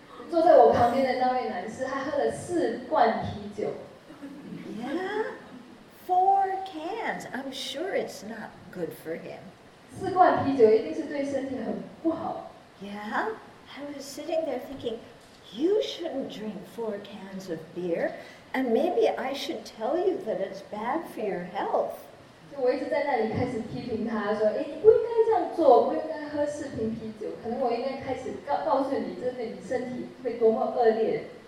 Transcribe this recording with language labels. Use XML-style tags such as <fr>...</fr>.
<zh>坐在我旁边的那位男士，他喝了四罐啤酒。</zh> <en>Yeah, four cans. cans, I'm sure it's not good for him.</en> <zh>4罐啤酒一定是对身体很不好。</zh> <en>Yeah, I was sitting there thinking, you shouldn't drink 4 cans of beer, and maybe I should tell you that it's bad for your health.</en> <zh>就我一直在那里开始批评他说，哎，你不应该这样做，不应该喝4瓶啤酒，可能我应该开始告诉你，这对你身体会多么恶劣。</zh>